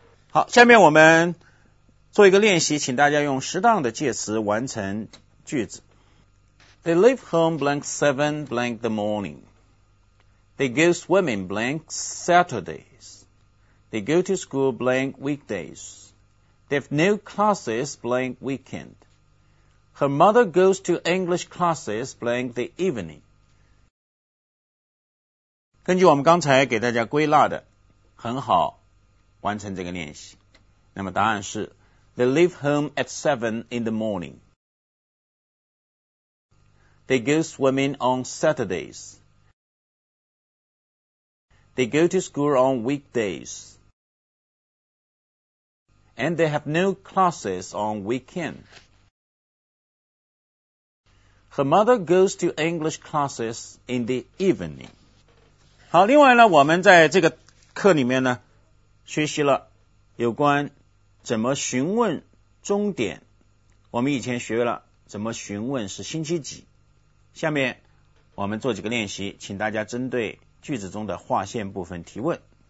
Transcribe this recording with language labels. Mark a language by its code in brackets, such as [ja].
[zh] 好，下面我们做一个练习，请大家用适当的介词完成句子。 [en] They leave home blank seven blank the morning. They go swimming blank Saturdays. They go to school blank weekdays. They have no classes blank weekend. Her mother goes to English classes blank the evening. [zh] 根据我们刚才给大家归纳的，很好完成这个练习。那么答案是 [en] They leave home at 7 in the morning. They go swimming on Saturdays. They go to school on weekdays. And they have no classes on weekend. Her mother goes to English classes in the evening. [zh] 好，另外呢，我们在这个课里面呢，学习了有关怎么询问终点。我们以前学了怎么询问是星期几。下面我们做几个练习，请大家针对句子中的划线部分提问。